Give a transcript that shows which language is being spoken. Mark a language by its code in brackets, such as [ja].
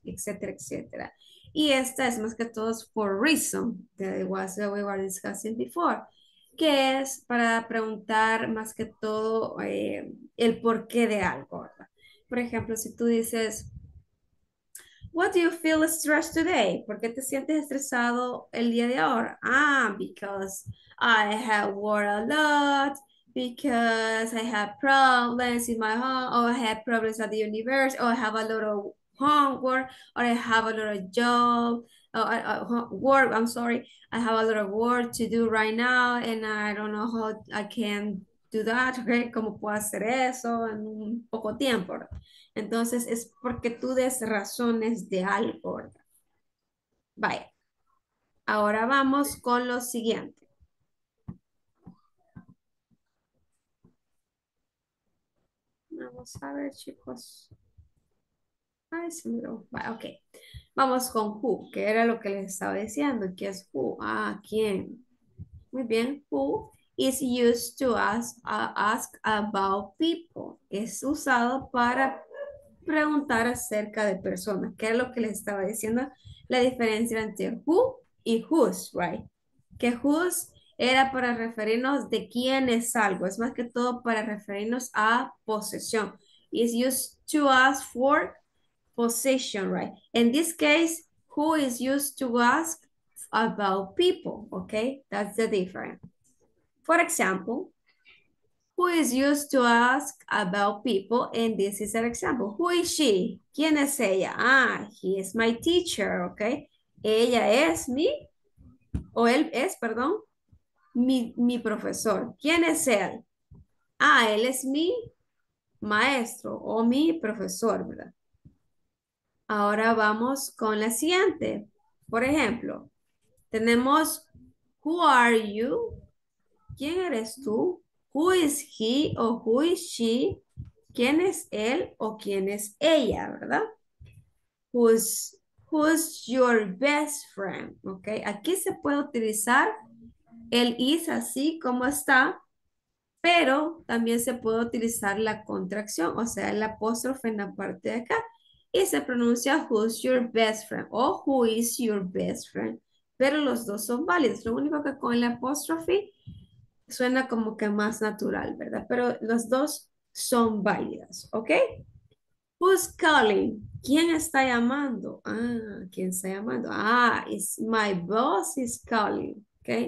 [es] Etcétera, etcétera. Y esta es más que todo [en] for reason, that was what we were discussing before, [es] que es para preguntar más que todo el porqué de algo. Por ejemplo, si tú dices, [en] what do you feel stressed today? [es] ¿Por qué te sientes estresado el día de ahora? [en] Ah, because I have worked a lot, because I have problems in my home, or I have problems at the university, or I have a lot of homework, or I have a lot of job, work, I'm sorry, I have a lot of work to do right now, and I don't know how I can do that, okay? [es] ¿Cómo puedo hacer eso en un poco tiempo? Entonces, es porque tú des razones de algo. Vaya. Ahora vamos con lo siguiente. Vamos a ver, chicos. Ay, se me lo... Ok, vamos con who, que era lo que les estaba diciendo, que es who, ¿quién? Muy bien, [en] who is used to ask about people, [es] es usado para preguntar acerca de personas, que era lo que les estaba diciendo, la diferencia entre who y whose, right? Que whose era para referirnos de quién es algo, es más que todo para referirnos a posesión, [en] is used to ask for position, [es] right? [en] In this case, who is used to ask about people, okay? That's the difference. For example, who is used to ask about people? And this is an example. Who is she? [es] ¿Quién es ella? [en] Ah, he is my teacher, okay? [es] Ella es mi, o él es, perdón, mi profesor. ¿Quién es él? Ah, él es mi maestro o mi profesor, ¿verdad? Ahora vamos con la siguiente. Por ejemplo, tenemos [en] who are you? [es] ¿Quién eres tú? [en] Who is he o who is she? [es] ¿Quién es él o quién es ella, verdad? [en] Who's your best friend? [es] Okay. Aquí se puede utilizar el is así como está, pero también se puede utilizar la contracción, o sea, el apóstrofe en la parte de acá. Y se pronuncia [en] who's your best friend [es] o [en] who is your best friend. [es] Pero los dos son válidos. Lo único que con el apóstrofe suena como que más natural, ¿verdad? Pero los dos son válidos, ¿ok? [en] Who's calling? [es] ¿Quién está llamando? Ah, ¿quién está llamando? Ah, [en] it's my boss is calling, [es] ¿ok?